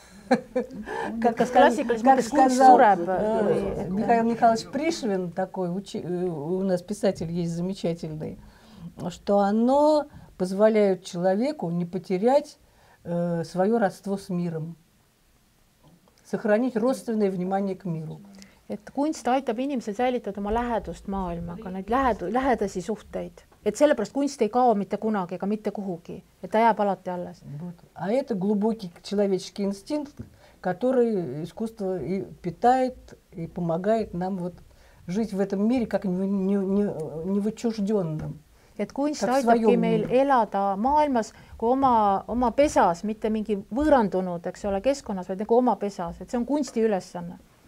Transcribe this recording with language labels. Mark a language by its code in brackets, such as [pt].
[ru] Как сказал Михаил Михайлович Пришвин, такой у нас писатель есть замечательный, что оно позволяет человеку не потерять свое родство с миром, сохранить родственное внимание к миру. [et] Et kunst aitab inimesel säilitada oma lähedust maailmaga, neid lähedasi suhteid. Et sellepärast kunst ei kao mitte kunagi, ega mitte kuhugi. Et ta jääb alati alles. [ru] А это глубокий человеческий инстинкт, который искусство и питает, и помогает нам вот жить в этом мире как не в отчужденном. [et] Et kunst aitabki meil elada maailmas kui oma pesas, mitte mingi võõrandunud, eks ole, keskkonnas, vaid nagu oma pesas. Et see on kunsti ülesanne.